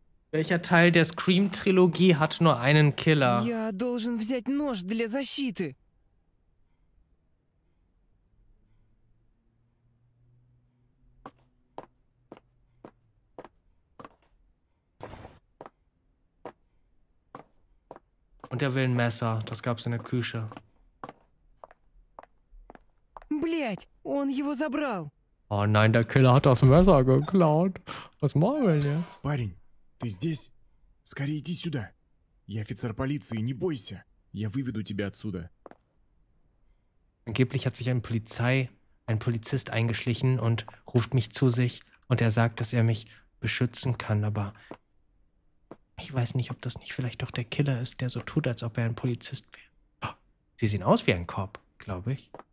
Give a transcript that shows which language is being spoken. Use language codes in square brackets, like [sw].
[de] Welcher Teil der Scream-Trilogie hat nur einen Killer? [ru] Я должен взять нож для защиты. [de] Und er will ein Messer. Das gab's in der Küche. [ru] Блять, он его забрал. [de] Oh nein, der Killer hat das Messer geklaut. Was machen wir jetzt? [ru] Парень. Ты здесь? Скорее иди сюда. Я офицер полиции, не бойся. Я выведу тебя отсюда. [de] Angeblich hat sich ein Polizist eingeschlichen und ruft mich zu sich und er sagt, dass er mich beschützen kann, aber ich weiß nicht, ob das nicht vielleicht doch der Killer ist, der so tut, als ob er ein Polizist wäre. Oh, sie sehen aus wie ein Cop, glaube ich.